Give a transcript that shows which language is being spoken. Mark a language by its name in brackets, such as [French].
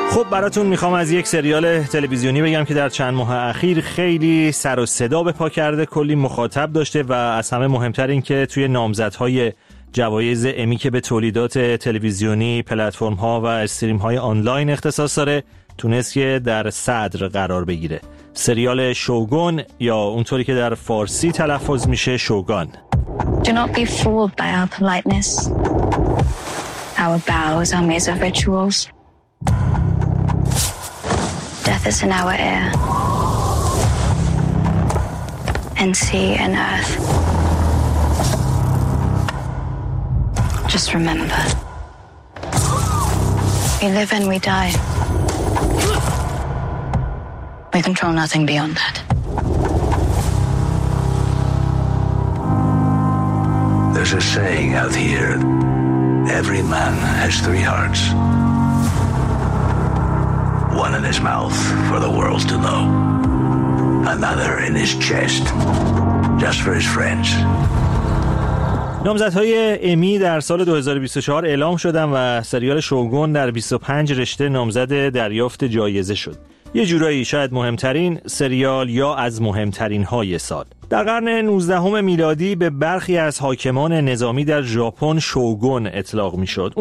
[Persian] براتون میخوام از یک سریال تلویزیونی بگم که در چند ماه اخیر خیلی سر و صدا به پا کرده، کلی مخاطب داشته و از همه مهمتر این که توی نامزدهای جوایز امی که به تولیدات تلویزیونی، پلتفرم‌ها و استریم‌های آنلاین اختصاص داره، تونست که در صدر قرار بگیره. سریال شوگون یا اونطوری که در فارسی تلفظ میشه شوگان. [English] Do not be fooled by our politeness. Our bows are made of rituals. Death is in our air. And sea and earth. Just remember. We live and we die. We control nothing beyond that. There's a saying out here, every man has three hearts. One in his mouth for the world to know. Another in his chest, just for his friends. [Persian] نامزدهای امی در سال 2024 اعلام شدن و سریال شوگون در 25 رشته نامزد دریافت جایزه شد. یه جورایی شاید مهمترین سریال یا از مهمترین های سال. در قرن 19 میلادی به برخی از حاکمان نظامی در ژاپن شوگون اطلاق می شد.